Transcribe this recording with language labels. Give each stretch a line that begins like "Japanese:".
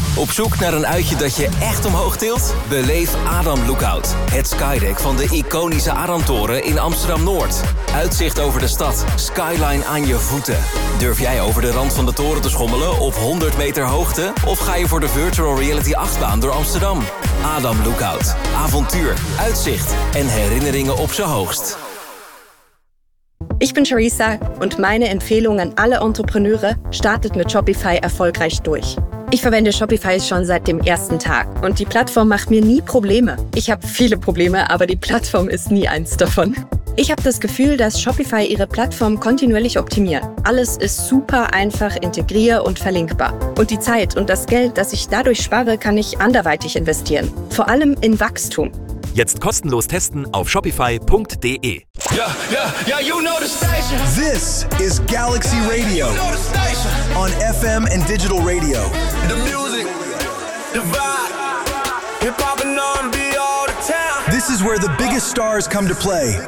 Dutch: Op zoek naar een uitje dat je echt omhoog tilt? Beleef Adam Lookout, het skydeck van de iconische Adamtoren in Amsterdam-Noord. Uitzicht over de stad, skyline aan je voeten. Durf jij over de rand van de toren te schommelen op 100 meter hoogte? Of ga je voor de virtual reality achtbaan door Amsterdam? Adam Lookout. Avontuur, uitzicht en herinneringen op z'n hoogst.
German: Ich bin Charissa und meine Empfehlung an alle Entrepreneure, startet mit Shopify erfolgreich durch. Ich verwende Shopify schon seit dem ersten Tag und die Plattform macht mir nie Probleme. Ich habe viele Probleme, aber die Plattform ist nie eins davon. Ich habe das Gefühl, dass Shopify ihre Plattform kontinuierlich optimiert. Alles ist super einfach, integrier und verlinkbar. Und die Zeit und das Geld, das ich dadurch spare, kann ich anderweitig investieren. Vor allem in Wachstum. Jetzt kostenlos testen auf shopify.de.
English: Yeah, yeah, yeah, you know the station. This is Galaxy Radio. You know the station. On FM and digital radio. The music, the vibe, hip-hop and R&B all the time. This is where the biggest stars come to play.